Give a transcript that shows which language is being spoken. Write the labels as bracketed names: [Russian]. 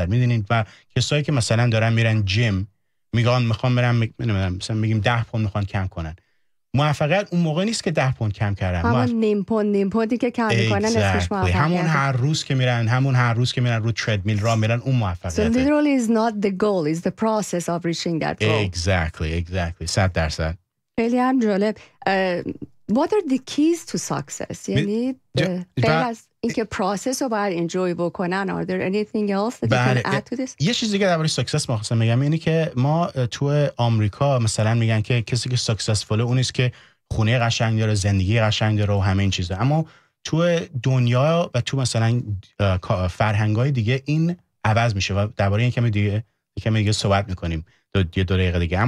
[Persian] میدونید؟ و کسایی که مثلا دارن میرن جیم میگن میخوام برم مثلا بگیم 10 پوند میخوان کم کنن، موفقیت اون موقع نیست که 10 پوند کم کردم. همون نیم پوندی که کم میکنن اسمش موفقیت. همون هر روز که میرن، رو تردمیل را میرن، اون موفقیت. [English] So literally is not the goal, is the process of reaching that goal. Exactly. 100%. [Persian] خیلی هم جالب. [English] What are the keys to success? [Persian] یعنی غیر از اینکه پروسس رو باید انجوی بکنن، [English] are there anything else that you can add to this? [Persian] یه چیز دیگه درباره سکسس می‌خواستم بگم، اینی که ما تو آمریکا مثلا میگن که کسی که سکسسفول اون است که خونه قشنگ داره، زندگی قشنگ داره و همه این چیزا، اما تو دنیا و تو مثلا فرهنگ‌های دیگه این عوض میشه و درباره این کمی دیگه صحبت می‌کنیم دو دقیقه دیگه.